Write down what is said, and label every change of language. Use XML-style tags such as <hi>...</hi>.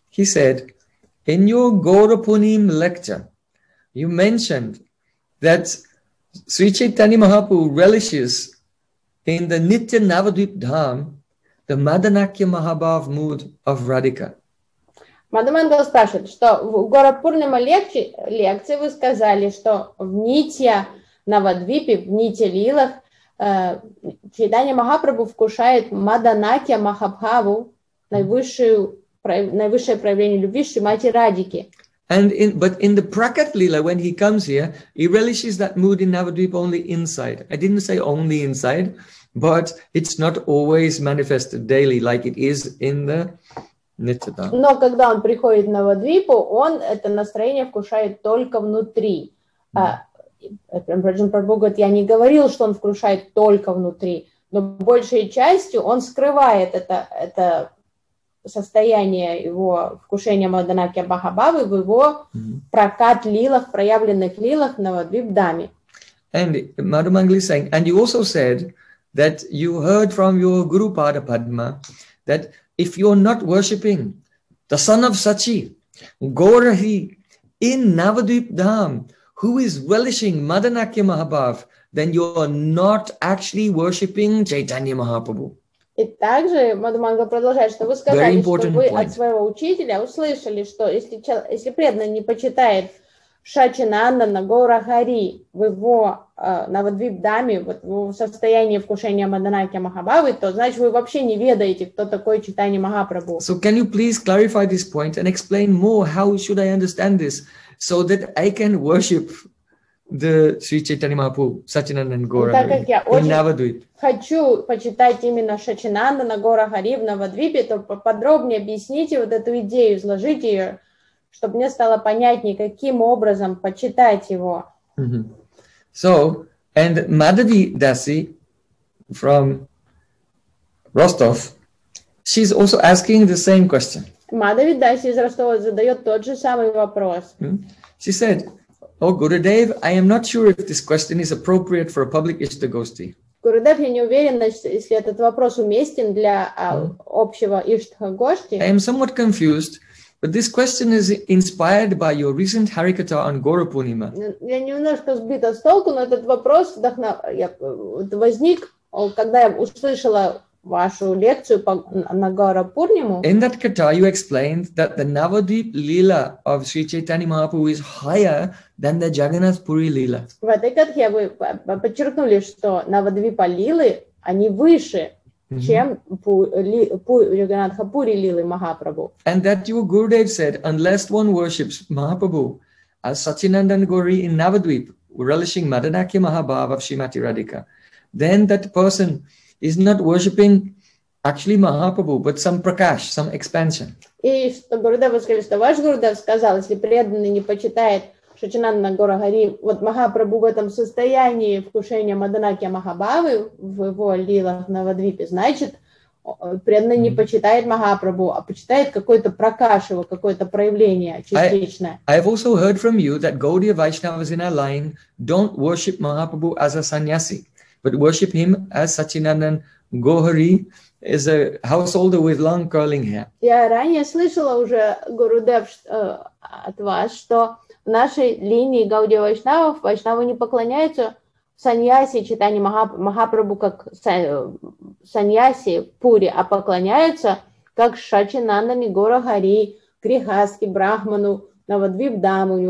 <en>He said, in your Gaurapunim lecture, you mentioned that Sri Chaitanya Mahaprabhu relishes in the Nitya Navadvip Dham the Madanakya Mahabhav mood of Radhika.</en> <ru>Мадамангал спрашивает, что в Горапурнима лекции вы сказали, что в Нитья, Навадвипе, в Нитья Лилах Чайтанья Махапрабху вкушает Маданакья Махабхаву, наивысшее проявление любви Шримати Радики.</ru> <en>But in the Prakat Lila, when he comes here, he relishes that mood in Navadvipa only inside. I didn't say only inside, but it's not always manifested daily like it is in the Nityadham.</en> <ru>Но когда он приходит на Навадвипу, он это настроение вкушает только внутри. Прем Прабху говорит, я не говорил, что он вкушает только внутри, но большей частью он скрывает это состояние его вкушения Маданакья Махабхавы в его прокат лилах, проявленных лилах на Навадвипдхаме.</ru> <en>And Madhumangali is saying, and you also said that you heard from your Guru Pada Padma that if you're not worshipping the son of Sachi, Gorahi, in Navadvip Dham, who is relishing Madanakya Mahabhav, then you're not actually worshipping Chaitanya Mahaprabhu.</en> <ru>И также Мадхумангал продолжает, что вы сказали, что вы от своего учителя услышали, что если преданный не почитает Шачинандана, Гаурахари в его Навадвипдхаме, вот, в состоянии вкушения Маданакья Махабхавы, то значит вы вообще не ведаете, кто такой Чайтанья Махапрабху.</ru> <en>So can you please clarify this point and explain more how should I understand this so that I can worship the Sri Chaitanya Mahaprabhu, Шачинандана, Гаурахари in Навадвип?</en> <ru>Хочу почитать именно Шачинандана, Гаурахари в Навадвипе, то поподробнее объясните вот эту идею, изложите ее, чтобы мне стало понятнее, каким образом почитать его.</ru> <en>So, and Madhavi Dasi from Rostov, she's also asking the same question.</en> <ru>Madhavi Dasi из Ростова задает тот же самый вопрос.</ru> <en>She said, oh, Gurudev, I am not sure if this question is appropriate for a public Istagosthi.</en> <ru>Gurudev, я не уверен, если этот вопрос уместен для общего Иштхагошти.</ru> <en>I am somewhat confused. But this question is inspired by your recent Harikata on Gaurapurnima.</en> <ru>Я немножко сбита с толку, но этот вопрос возник, когда я услышала вашу лекцию на Гаурапурниму.</ru> <en>In that kata, you explained that the Navadvip Lila of Sri Chaitanya Mahaprabhu is higher than the Jagannath Puri Lila.</en> <ru>В этой катхе вы подчеркнули, что Навадвипа Лилы, они выше, чем Джаганнатха Пури Лилы Махапрабху.</ru> <en>And that your Gurudev said, unless one worships Mahaprabhu as Sachinandan Gauri in Navadvip, relishing Madanakya Mahabhava of Srimati Radhika, then that person is not worshipping actually Mahaprabhu, but some prakash, some expansion.</en> <ru>И что Гурудев сказал, что ваш Гурудев сказал, если преданный не почитает Шачинандана Гаурахари, вот Махапрабху в этом состоянии вкушения Маданакья Махабхавы в его лилах на Навадвипе, значит, преданный не почитает Махапрабху, а почитает какой-то пракаш его, какое-то проявление частичное.</ru> <en>I have also heard from you that Gaudiya Vaishnavas in our line don't worship Mahaprabhu as a sannyasi, but worship him as Sachinandan Gaurahari is a householder with long curling hair.</en> <ru>Я ранее слышала уже, Гурудев, от вас, что в нашей линии Гаудия Вайшнавов, Вайшнавы не поклоняются саньяси, Чайтанья Махапрабху как саньяси Пури, а поклоняются как Шачинандане Гаурахари, Грихастхе, Брахману, Навадвипдхаме.</ru>